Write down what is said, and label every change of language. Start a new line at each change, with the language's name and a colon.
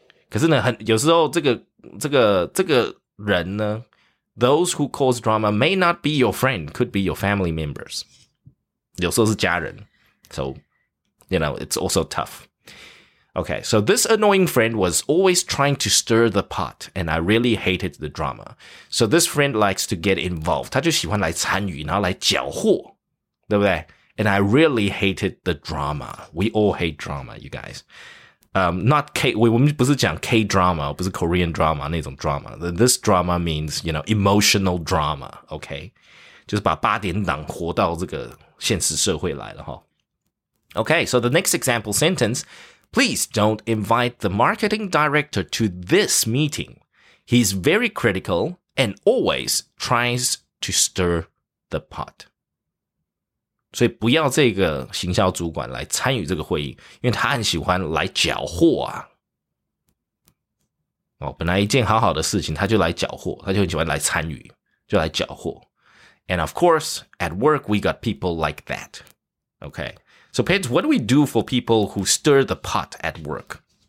Chinese: 可是呢，很有时候这个人呢
English: ，those who cause drama may not be your friend, could be your family members.
Chinese: 有时候是家人
English: ，so you know it's also tough. Okay, so this annoying friend was always trying to stir the pot, and I really hated the drama. So this friend likes to get involved.
Chinese: 他就喜欢来参与，然后来搅和，对不对？
English: And I really hated the drama. We all hate drama, you guys.
Chinese: Not K, 我们不是讲 K-drama, 不是 Korean drama, 那种 drama.
English: This drama means, you know, emotional drama, okay?
Chinese: 就是把八点档活到这个现实社会来了齁。
English: Okay, so the next example sentence... Please don't invite the marketing director to this meeting. He's very critical and always tries to stir the pot.
Chinese: 所以不要这个行销主管来参与这个会议，因为他很喜欢来搅和啊。哦，本来一件好好的事情，他就来搅和，他就很喜欢来参与，就来搅和。
English: And of course, at work, we got people like that. Okay. So, Paige, what do we do for people who stir the pot at work?